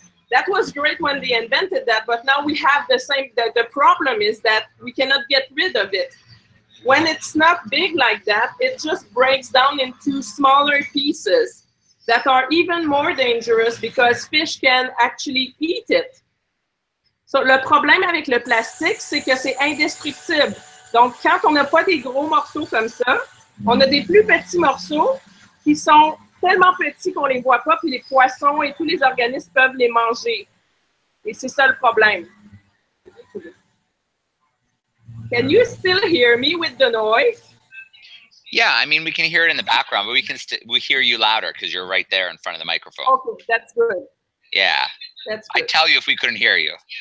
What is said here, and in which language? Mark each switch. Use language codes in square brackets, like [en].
[en] That was great when they invented that, but now we have the same, the problem is that we cannot get rid of it. When it's not big like that, it just breaks down into smaller pieces. that are even more dangerous because fish can actually eat it. [fr] So le problème avec le plastique, c'est que c'est indestructible. Donc quand on n'a pas des gros morceaux comme ça, on a des plus petits morceaux qui sont tellement petits qu'on les voit pas, puis les poissons et tous les organismes peuvent les manger. Et c'est ça le problème. [en] Can you still hear me with the noise? Yeah, I mean, we can hear it in the background, but we hear you louder because you're right there in front of the microphone. Okay, that's good. Yeah. That's good. I'd tell you if we couldn't hear you.